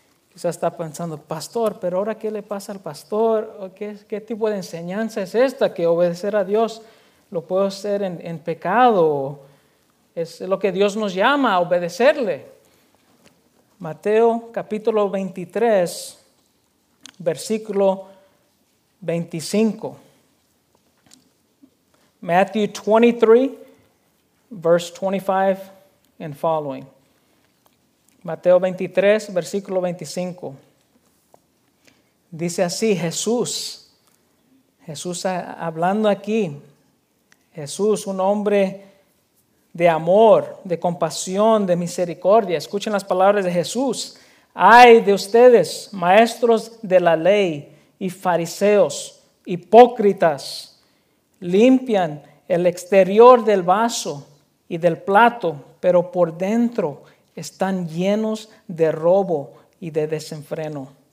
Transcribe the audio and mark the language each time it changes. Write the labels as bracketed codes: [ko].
[es] Quizás está pensando, pastor, pero ahora qué le pasa al pastor, qué tipo de enseñanza es esta, que obedecer a Dios lo puedo hacer en pecado, es lo que Dios nos llama a obedecerle. Mateo capítulo 23, versículo 25. [en] Matthew 23, verse 25 and following. [es] Mateo 23, versículo 25. Dice así Jesús hablando aquí. Jesús, un hombre de amor, de compasión, de misericordia. Escuchen las palabras de Jesús. Ay de ustedes, maestros de la ley y fariseos, hipócritas, limpian el exterior del vaso y del plato, pero por dentro están llenos de robo y de desenfreno.